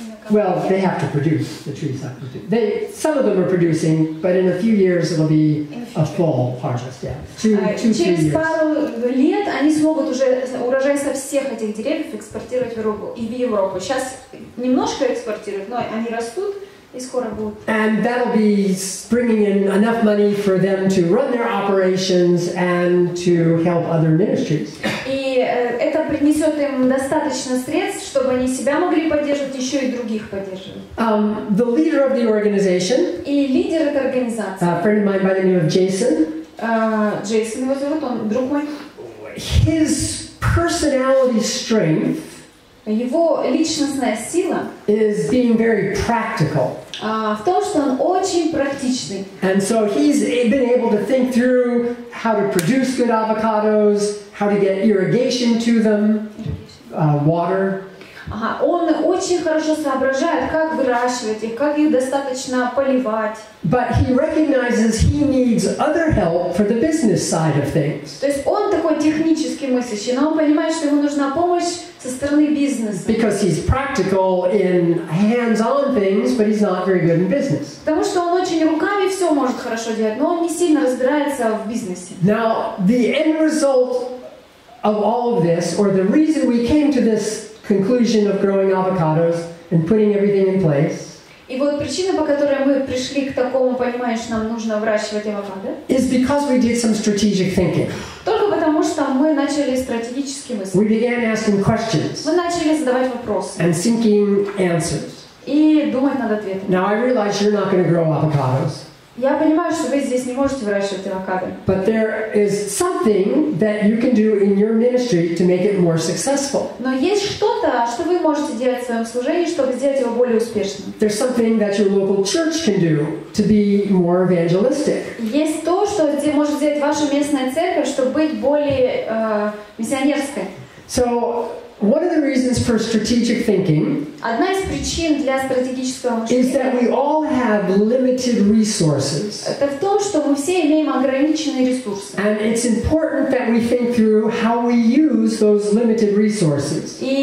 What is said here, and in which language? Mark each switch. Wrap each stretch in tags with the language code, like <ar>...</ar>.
<en>Well, they have to produce, the trees have to produce. Some of them are producing, but in a few years it'll be a full harvest, yeah.</en> <ru>Через пару лет они смогут уже урожай со всех этих деревьев экспортировать в Европу. И в Европу. Сейчас немножко экспортируют, но они растут.</ru> <en>And that'll be bringing in enough money for them to run their operations and to help other ministries.</en> <ru>И это принесет им достаточно средств, чтобы они себя могли поддерживать, еще и других поддерживать.</ru> <en>The leader of the organization.</en> <ru>И лидер этой организации.</ru> <en>A friend of mine by the name of Jason.</en> <ru>Джейсон его зовут, он друг мой.</ru> <en>His personality strength.</en> <ru>Его личностная сила</ru> <en>is being very practical.</en> <ru>В том, что он очень практичный.</ru> <en>And so he's been able to think through how to produce good avocados, how to get irrigation to them, water.</en> <ru>Он очень хорошо соображает, как выращивать их, как их достаточно поливать.</ru> <en>But he recognizes he needs other help for the business side of things.</en> <ru>То есть он такой технически мыслящий, но он понимает, что ему нужна помощь со стороны бизнеса.</ru> <en>Because he's practical in hands-on things, but he's not very good in business.</en> <ru>Потому что он очень руками все может хорошо делать, но он не сильно разбирается в бизнесе.</ru> <en>Now, the end result of all of this, or the reason we came to this conclusion of growing avocados and putting everything in place.</en> <ru>И вот причина, по которой мы пришли к такому пониманию, что нам нужно выращивать авокадо.</ru> <en>Is because we did some strategic thinking.</en> <ru>Только потому что мы начали стратегически мыслить.</ru> <en>We began asking questions.</en> <ru>Мы начали задавать вопросы.</ru> <en>And seeking answers.</en> <ru>И думать над ответом.</ru> <en>Now I realize you're not going to grow avocados.</en> <ru>Я понимаю, что вы здесь не можете выращивать авокадо.</ru> <en>But there is something that you can do in your ministry to make it more successful.</en> <ru>Но есть что-то, что вы можете делать в своем служении, чтобы сделать его более успешным.</ru> <en>There's something that your local church can do to be more evangelistic.</en> <ru>Есть то, что может сделать ваша местная церковь, чтобы быть более миссионерской.</ru> <en>So, one of the reasons for strategic thinking is that we all have limited resources. And it's important that we think through how we use those limited resources.</en>